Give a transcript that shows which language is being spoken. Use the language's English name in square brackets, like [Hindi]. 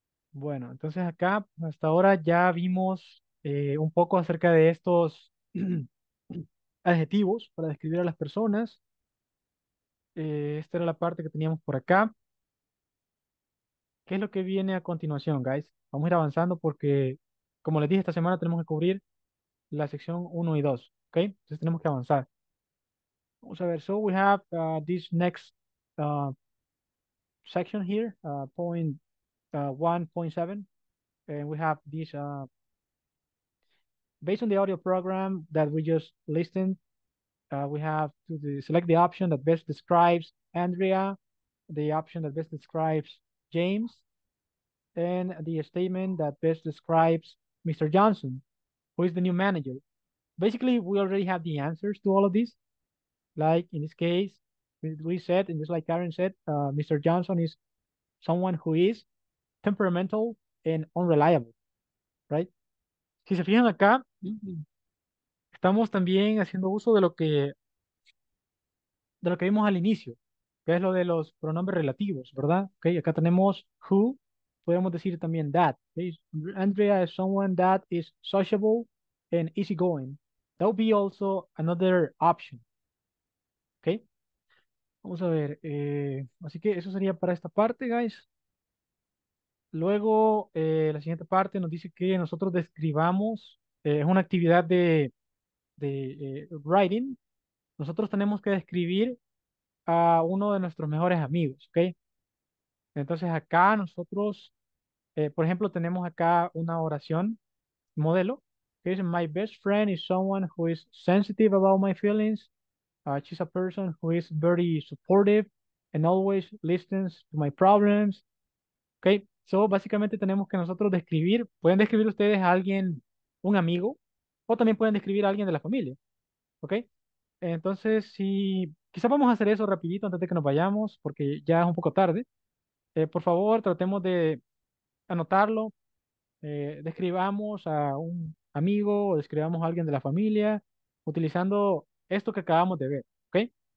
[Spanish] Bueno, entonces acá hasta ahora ya vimos un poco acerca de estos adjetivos para describir a las personas. Esta era la parte que teníamos por acá. ¿Qué es lo que viene a continuación, guys? Vamos a ir avanzando porque, como les dije, esta semana tenemos que cubrir la sección 1 y 2, ¿ok? Entonces tenemos que avanzar. Vamos a ver, [English] so we have this next section here, point 1.7, and we have this, based on the audio program that we just listened, we have to select the option that best describes Andrea, the option that best describes James, and the statement that best describes Mr. Johnson, who is the new manager. Basically, we already have the answers to all of these. Like in this case, we said, and just like Karen said, Mr. Johnson is someone who is temperamental and unreliable, right? [Spanish] Si se fijan acá, estamos también haciendo uso de lo que vimos al inicio, que es lo de los pronombres relativos, ¿verdad? Okay, acá tenemos who, podemos decir también that. Okay? [English] Andrea is someone that is sociable and easygoing. That would be also another option. Okay? [Spanish] Vamos a ver. Así que eso sería para esta parte, guys. Luego, la siguiente parte nos dice que nosotros describamos, es una actividad de writing. Nosotros tenemos que describir a uno de nuestros mejores amigos, ¿ok? Entonces acá nosotros, por ejemplo, tenemos acá una oración modelo, que dice, [English] my best friend is someone who is sensitive about my feelings. She's a person who is very supportive and always listens to my problems. ¿Ok? [Spanish] So, básicamente tenemos que nosotros describir, pueden describir ustedes a alguien, un amigo, o también pueden describir a alguien de la familia. ¿Ok? Entonces, si quizás vamos a hacer eso rapidito antes de que nos vayamos, porque ya es un poco tarde. Por favor, tratemos de anotarlo. Describamos a un amigo, o describamos a alguien de la familia, utilizando esto que acabamos de ver. ¿Ok?